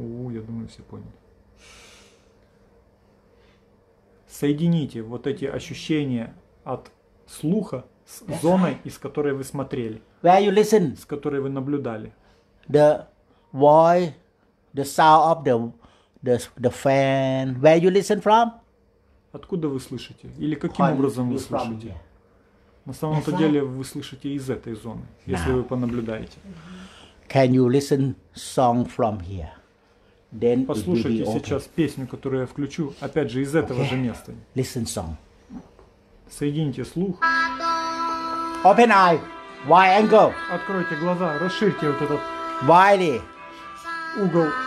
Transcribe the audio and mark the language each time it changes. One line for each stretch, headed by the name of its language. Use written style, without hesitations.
Russian: Я думаю, все поняли. Соедините вот эти ощущения от слуха с зоной, из которой вы смотрели.
English: Where you listen.
Russian: С которой вы наблюдали.
English: The voice, the sound of the fan. Where you listen from?
Russian: Откуда вы слышите? Или каким образом вы слышите? На самом-то деле вы слышите из этой зоны, если вы понаблюдаете.
English: Can you listen song from here?
Russian: Then послушайте сейчас песню, которую я включу, опять же, из этого же места.
English: Listen song.
Russian: Соедините слух.
English: Open eye. Wide angle.
Russian: Откройте глаза, расширьте вот этот
English: wide
Russian: угол.